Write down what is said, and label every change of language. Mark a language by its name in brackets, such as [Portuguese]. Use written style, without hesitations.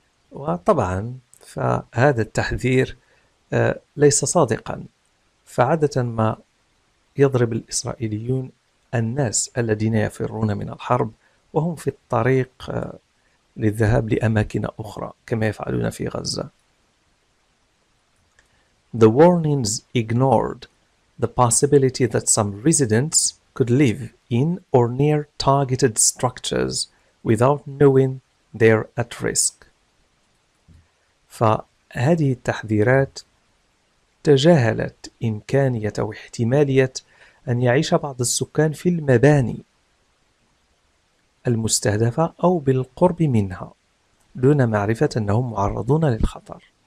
[Arabic] وطبعا فهذا التحذير ليس صادقا, فعادة ما يضرب الإسرائيليون الناس الذين يفرون من الحرب وهم في الطريق للذهاب لأماكن أخرى كما يفعلون في غزة. [English] The warnings ignored the possibility that some residents could live in or near targeted structures without knowing they're at risk. [Arabic] فهذه التحذيرات تجاهلت إمكانية أو احتمالية أن يعيش بعض السكان في المباني المستهدفة أو بالقرب منها دون معرفة أنهم معرضون للخطر.